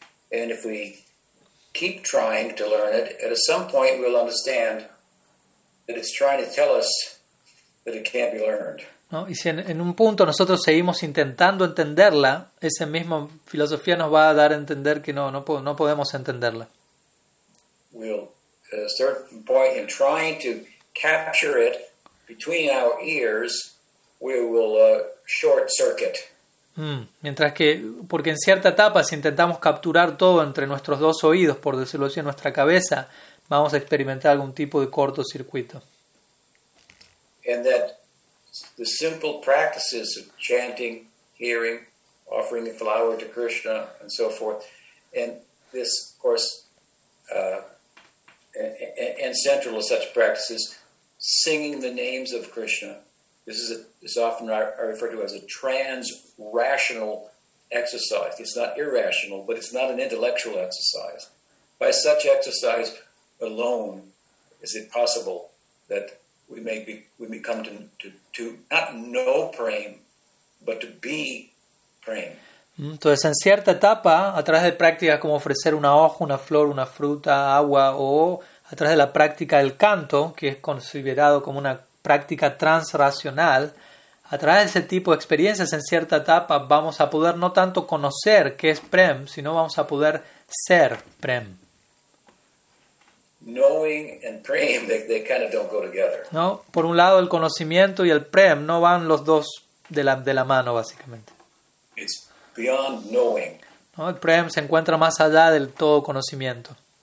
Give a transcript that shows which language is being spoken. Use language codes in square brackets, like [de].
[en] And if we keep trying to learn it, at some point we'll understand that it's trying to tell us that it can't be learned. [es] ¿No? Y si en un punto nosotros seguimos intentando entenderla, esa misma filosofía nos va a dar a entender que no podemos entenderla. [en] We'll, at a certain point in trying to capture it between our ears, we will short circuit. [es] Mientras que, porque en cierta etapa, si intentamos capturar todo entre nuestros dos oídos, por decirlo así, en nuestra cabeza, vamos a experimentar algún tipo de cortocircuito. [en] And that the simple practices of chanting, hearing, offering a flower to Krishna, and so forth, and this, of course, and central to such practices, singing the names of Krishna. This is often referred to as a trans-rational exercise. It's not irrational, but it's not an intellectual exercise. By such exercise alone, is it possible that we may come to not know prema, but to be prema. [es] Entonces, en cierta etapa, a través de prácticas como ofrecer una hoja, una flor, una fruta, agua, o a través de la práctica del canto, que es considerado como una práctica transracional, a través de ese tipo de experiencias, en cierta etapa, vamos a poder no tanto conocer qué es prema, sino vamos a poder ser prema. [en] Knowing and praying, they kind of don't go together. [es] No, por un lado el conocimiento y el prem no van los dos de la mano, básicamente. [en] It's beyond knowing. [es] No, el prem se encuentra más allá del todo conocimiento.